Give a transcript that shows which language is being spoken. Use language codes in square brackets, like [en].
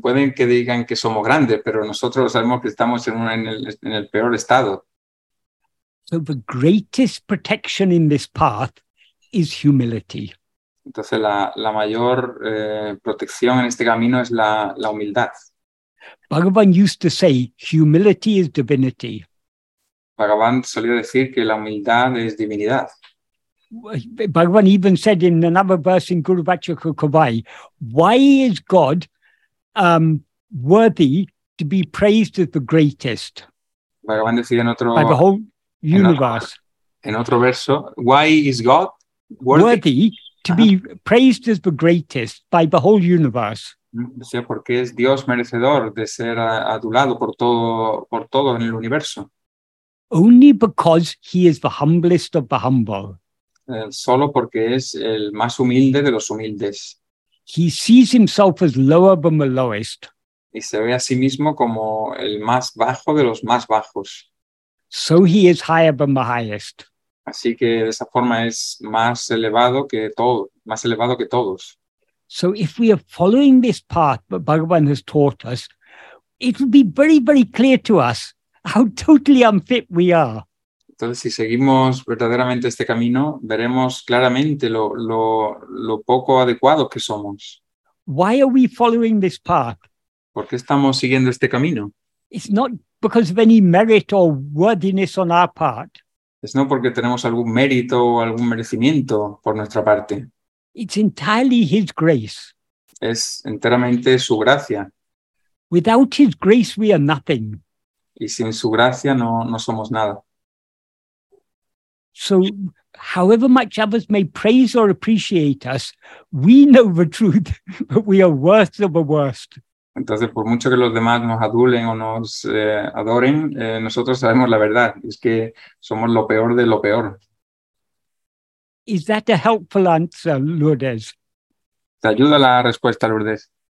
[es] Pueden que digan que somos grandes, pero nosotros sabemos que estamos en el peor estado. [en] So the greatest protection in this path is humility. [es] Entonces la mayor protección en este camino es la humildad. [en] Bhagavan used to say, humility is divinity. [es] Bhagavan solía decir que la humildad es divinidad. [en] Bhagavan even said in another verse in Guru Vachakukavai, why is God worthy to be praised as the greatest? [es] Bhagavan decía en otro, [en] by the whole universe. [es] En otro verso, [en] why is God worthy to be praised as the greatest by the whole universe? [es] O sea, porque es Dios merecedor de ser adulado por todo en el universo. [en] Only because he is the humblest of the humble. [es] Solo porque es el más humilde de los humildes. [en] He sees himself as lower than the lowest. [es] Y se ve a sí mismo como el más bajo de los más bajos. [en] So he is higher than the highest. [es] Así que de esa forma es más elevado que todo, más elevado que todos. [en] So if we are following this path that Bhagavan has taught us, it will be very, very clear to us how totally unfit we are. [es] Entonces, si seguimos verdaderamente este camino, veremos claramente lo poco adecuados que somos. [en] Why are we following this path? [es] ¿Por qué estamos siguiendo este camino? [en] It's not because of any merit or worthiness on our part. [es] Es no porque tenemos algún mérito o algún merecimiento por nuestra parte. [en] It's entirely his grace. [es] Es enteramente su gracia. [en] Without his grace, we are nothing. [es] Y sin su gracia, no somos nada. [en] So, however much others may praise or appreciate us, we know the truth, but we are worst of the worst. [es] Entonces, por mucho que los demás nos adulen o nos adoren, nosotros sabemos la verdad. Es que somos lo peor de lo peor. [en] Is that a helpful answer, Lourdes? [es] ¿Te ayuda la respuesta, Lourdes?